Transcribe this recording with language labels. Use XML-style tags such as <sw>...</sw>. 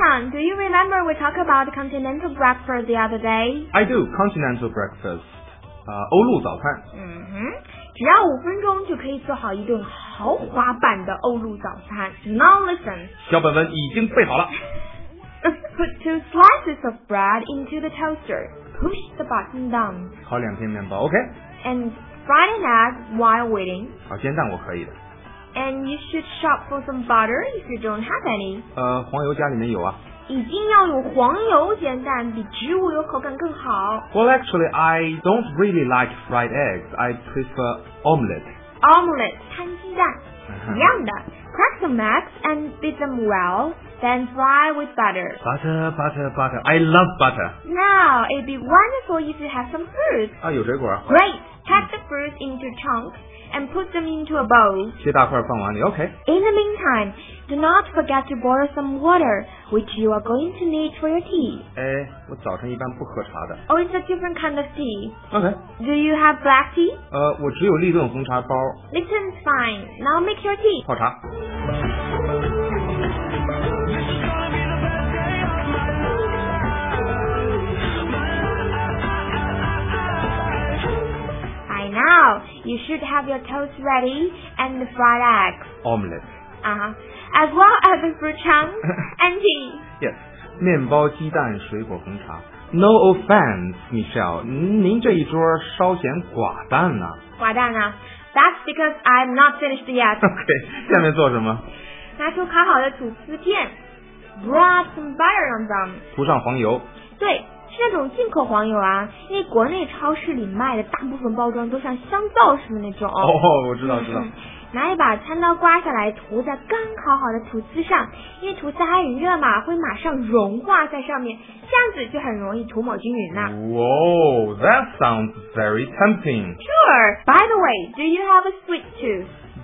<en>Do you remember we talked about continental breakfast the other day? I do, continental breakfast.</en> <zh>欧陆早餐。只要五分钟就可以做好一顿豪华版的欧陆早餐。</zh> <en>Now listen.</en> <zh>小本本已经备好了。</zh> <en>Put two slices of bread into the toaster. Push the button down.</en> <zh>烤两片面包 ,</zh> <en>OK. And fry an egg while waiting.</en> <zh>烤煎蛋我可以的。</zh> <en>And you should shop for some butter if you don't have any.</en> <zh>黄油家里面有啊。一定要有黄油煎蛋，比植物油口感更好。</zh> <en>Well, actually, I don't really like fried eggs. I prefer omelette.</en> <zh>Omelette, 摊鸡蛋。一样的。</zh> <en>Crack some eggs and beat them well, then fry with butter. Butter, butter, butter. I love butter. Now, it'd be wonderful if you have some fruit.</en> <zh>啊，有水果啊。</zh> <en>Great. Cut the fruit into chunks. And put them into a bowl.</en> <zh>切大块放碗里 ,</zh> <en>OK. In the meantime, do not forget to boil some water, which you are going to need for your tea.</en> <zh>哎，我早晨一般不喝茶的。</zh> <en>Oh, it's a different kind of tea. OK. Do you have black tea?</en> <zh>我只有利顿红茶包。</zh> <en>Litton's fine. Now make your tea.</en> <zh>泡茶。</zh> <en>By now, you should have your toast ready and the fried eggs. Omelette. As well as the fruit chunks and tea. Yes.</en> <zh>面包、鸡蛋、水果、红茶。</zh> <en>No offense,</en> <zh>Michelle. 您这一桌稍显寡淡呢、啊。寡淡呢、啊、</zh> <en>That's because I'm not finished yet. Okay.</en> <zh>下面做什么？拿出烤好的吐司片。</zh> <en>Brush some butter on them.</en> <zh>涂上黄油。对，是那种进口黄油啊，因为国内超市里卖的大部分包装都像香皂似的那种。哦、</zh> <en>oh,</en> <zh>，我知道，知道。拿一把餐刀刮下来，涂在刚烤好的吐司上，因为吐司还很热嘛，会马上融化在上面，这样子就很容易涂抹均匀了。</zh> <en>Whoa, that sounds very tempting. Sure. By the way, do you have a sweet tooth?</en>